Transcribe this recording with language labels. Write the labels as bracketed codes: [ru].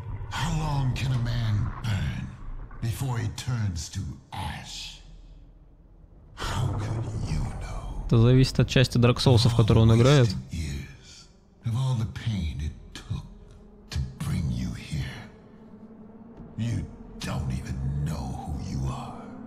[en] How long can a man burn before he turns to ash? How can you know? [ru] Это зависит от части Dark Souls, в которую он играет. [en] Of all the pain it took to bring you here, you don't even know who you are.